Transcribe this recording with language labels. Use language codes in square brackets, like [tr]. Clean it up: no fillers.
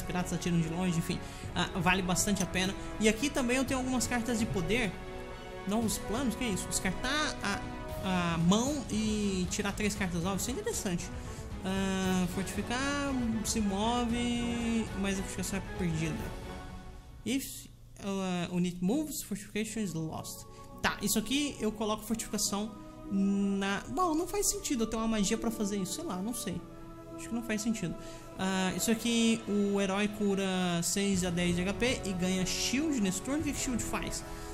[pt] Piratas atiram de longe, enfim. Vale bastante a pena. E aqui também eu tenho algumas cartas de poder. Novos planos, que é isso? Descartar a mão e tirar 3 cartas novas, isso é interessante. Fortificar, se move, mas a fortificação é perdida. [en] If unit moves, fortification is lost. [pt] Tá, isso aqui eu coloco fortificação na... Bom, não faz sentido eu ter uma magia pra fazer isso, sei lá, não sei. Acho que não faz sentido. Isso aqui, o herói cura 6 a 10 de HP e ganha shield nesse turno. O que shield faz?